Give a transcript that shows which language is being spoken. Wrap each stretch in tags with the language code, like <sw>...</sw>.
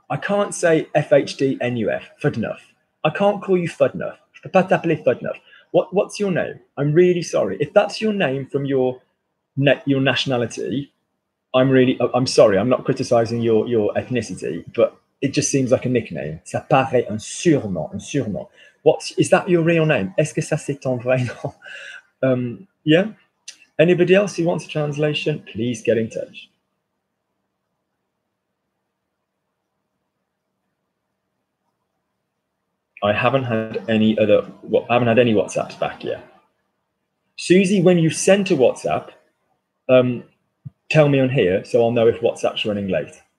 <en>I can't say FHDNUF, Fudnuff. I can't call you Fudnuff.</en> <fr>Je peux pas t'appeler Fudnuff.</fr> <en>What's your name? I'm really sorry. If that's your name from your nationality, I'm sorry. I'm not criticizing your ethnicity, but it just seems like a nickname.</en> <fr>Ça paraît un surnom.</fr> <en>Is that your real name?</en> <fr>Est-ce que ça c'est ton vrai nom?</fr> <en>Yeah. Anybody else who wants a translation, please get in touch. I haven't had any WhatsApps back yet. Susie, when you sent a WhatsApp, tell me on here so I'll know if WhatsApp's running late.</en>